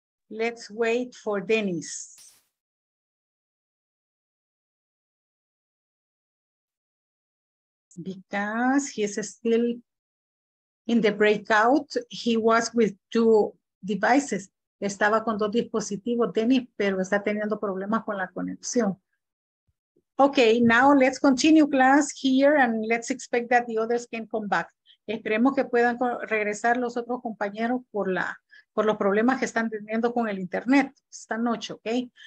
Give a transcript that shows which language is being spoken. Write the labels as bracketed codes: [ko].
[en] Let's wait for Dennis. Because he's still in the breakout, he was with two devices. [es] Estaba con dos dispositivos, Dennis, pero está teniendo problemas con la conexión. [en] Okay, now let's continue class here and let's expect that the others can come back. [es] Esperemos que puedan regresar los otros compañeros por los problemas que están teniendo con el internet esta noche, okay?